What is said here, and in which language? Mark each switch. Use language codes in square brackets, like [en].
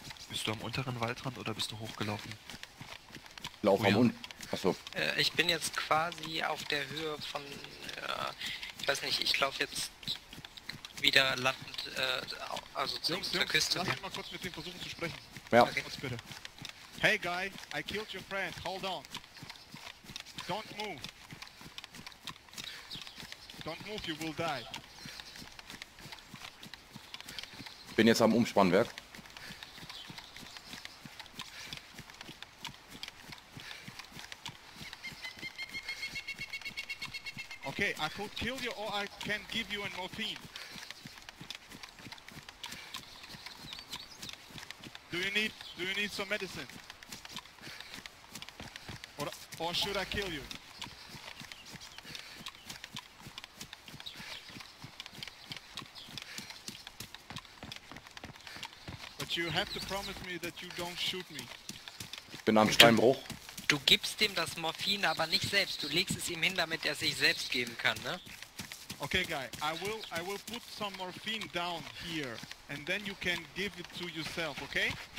[de] Bist du am unteren Waldrand oder bist du hochgelaufen? Lauf am unten. Achso. Ich bin jetzt quasi auf der Höhe von, ich weiß nicht, ich laufe jetzt wieder Land, also zur Küste. Lass mich mal kurz mit dem versuchen zu sprechen. Ja. Okay. Kurz bitte. [en] Hey guy, I killed your friend, hold on. Don't move. Don't move, you will die. [de] Bin jetzt am Umspannwerk. [en] Okay, I could kill you or I can give you a morphine. Do you need some medicine? Or should I kill you? But you have to promise me that you don't shoot me. [de] Ich bin am Steinbruch. Du gibst dem das Morphin, aber nicht selbst. Du legst es ihm hin, damit er sich selbst geben kann, ne? [en] Okay, guy. I will put some morphine down here. And then you can give it to yourself, okay?